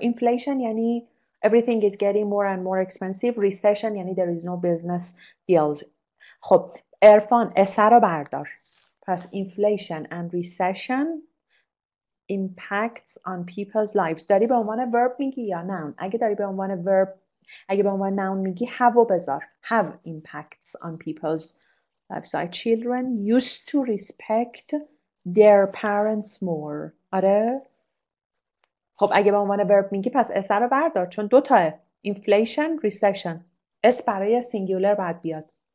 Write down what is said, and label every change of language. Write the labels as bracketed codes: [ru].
[en] Inflation [fa] یعنی [en] everything is getting more and more expensive. Recession [fa] یعنی [en] there is no business deals. [fa] خب. عرفان. اسه رو بردار. پس [en] inflation and recession impacts on people's lives. [fa] داری به عنوان verb میگی یا noun؟ اگه داری به عنوان verb، اگه به عنوان noun میگی have و بذار. [en] Have impacts on people's lives. So children used to respect their parents more. [fa] آره؟ خب اگه به عنوان verb میگی پس اس رو بردار، چون دو تاه. [en] Inflation, recession. [fa] اس برای singular بعد بیاد.